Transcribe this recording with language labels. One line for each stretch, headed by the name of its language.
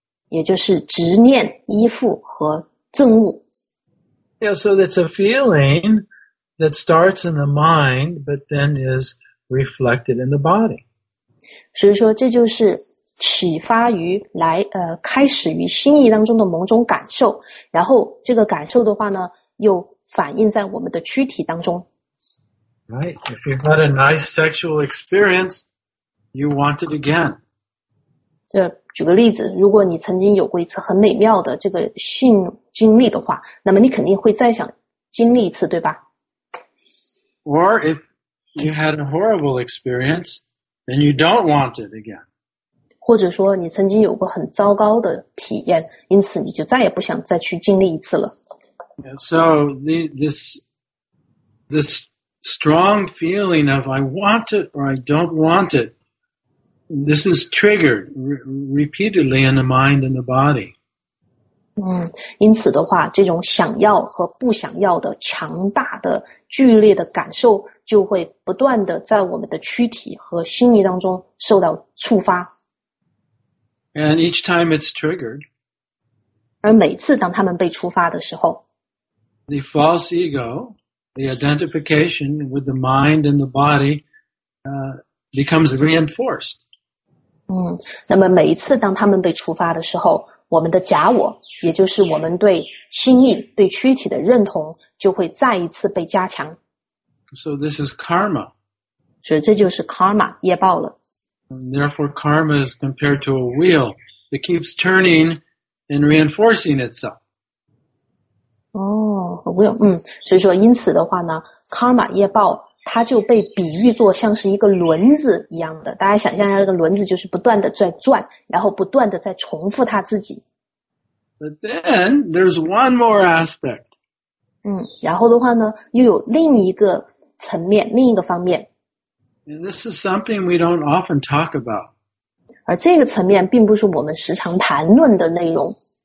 Chinese: 也就是执念、依附和憎恶。
English: Yeah, so it's a feeling that starts in the mind, but then is reflected in the body.
Chinese: 所以说这就是启发于来开始于心意当中的某种感受，然后这个感受的话呢，又反映在我们的躯体当中。
English: Right, if you've had a nice sexual experience, you want it again.
Chinese: 举个例子，如果你曾经有过一次很美妙的这个性经历的话，那么你肯定会再想经历一次，对吧？
English: Or if you had a horrible experience, then you don't want it again.
Chinese: 或者说你曾经有过很糟糕的体验，因此你就再也不想再去经历一次了。
English: So this strong feeling of I want it or I don't want itThis is triggered repeatedly in the mind and the body.
Chinese: 因此的话，这种想要和不想要的强大的、剧烈的感受，就会不断的在我们的躯体和心理当中受到触发。
English: And each time it's triggered,
Chinese: 而每次当他们被触发的时候
English: ，the false ego, the identification with the mind and the body, becomes reinforced.
Chinese: 那么每一次当他们被触发的时候，我们的假我，也就是我们对心意、对躯体的认同，就会再一次被加强。
English: So this is karma.
Chinese: 所以这就是 karma 业报了。
English: And therefore, karma is compared to a wheel that keeps turning and reinforcing itself. A wheel.
Chinese: 所以说，因此的话呢 ，karma 业报。它就被比喻作像是一个轮子一样的，大家想象一下，这个轮子就是不断的在转，然后不断的在重复它自己。
English: But then there's one more aspect.
Chinese: 然后的话呢，又有另一个层面，另一个方面。
English: And this is something we don't often talk about.
Chinese: 而这个层面并不是我们时常谈论的内容。